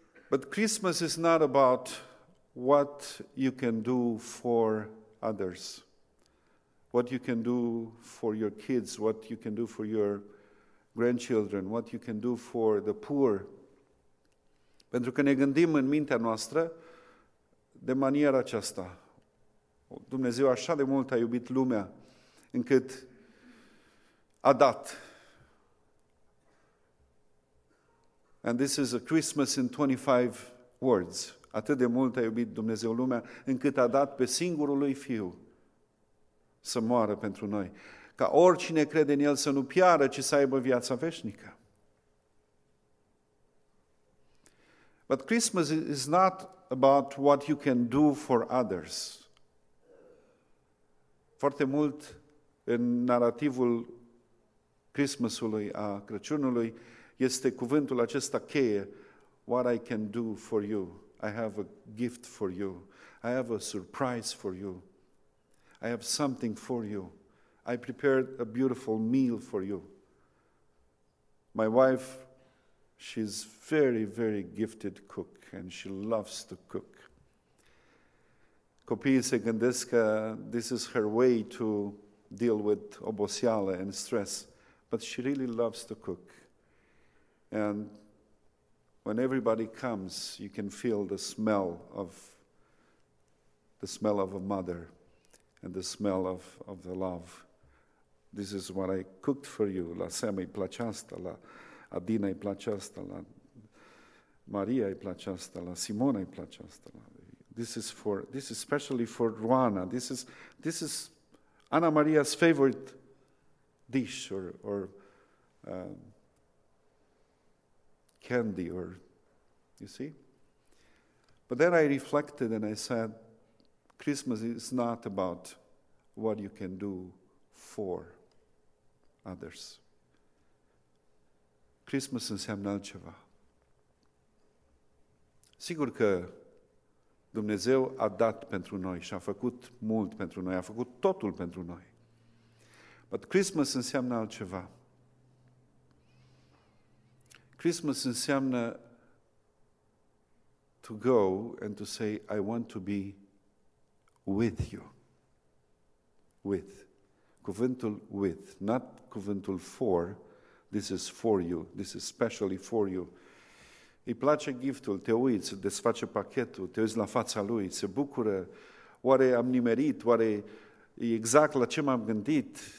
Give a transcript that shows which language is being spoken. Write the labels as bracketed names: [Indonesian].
[English] But Christmas is not about what you can do for others. What you can do for your kids, what you can do for your grandchildren, what you can do for the poor. [Romanian] Pentru că ne gândim în mintea noastră de maniera aceasta. Dumnezeu așa de mult a iubit lumea încât a dat. [English] And this is a Christmas in 25 words. [Romanian] Atât de mult a iubit Dumnezeu lumea încât a dat pe singurul lui Fiu să moară pentru noi. Ca oricine crede în El să nu piară, ci să aibă viața veșnică. [English] But Christmas is not about what you can do for others. [Romanian] foarte mult în narativul Christmasului, a Crăciunului, este cuvântul acesta cheie, [English] what I can do for you, I have a gift for you, I have a surprise for you, I have something for you, I prepared a beautiful meal for you. My wife, she's very, very gifted cook and she loves to cook. [Romanian] Copiii se gândesc că [English] this is her way to deal with oboseală and stress, but she really loves to cook. And when everybody comes, you can feel the smell of a mother and the smell of the love. This is what I cooked for you. [Romanian] La Sam îi place asta, la Adina îi place asta, la Maria îi place asta, la Simona îi place asta. [English] This is specially for Ruana. This is Ana Maria's favorite dish or candy or, you see? But then I reflected and I said, Christmas is not about what you can do for others. [Romanian] Christmas înseamnă altceva. Sigur că Dumnezeu a dat pentru noi și a făcut mult pentru noi, a făcut totul pentru noi. But Christmas înseamnă altceva. Christmas înseamnă [English] to go and to say, I want to be with you. With. Cuvântul with, not cuvântul for. This is for you. This is specially for you. [Romanian] Îi place giftul, te uiți, desface pachetul, te uiți la fața lui, se bucură. Oare am nimerit? Oare e exact la ce m-am gândit?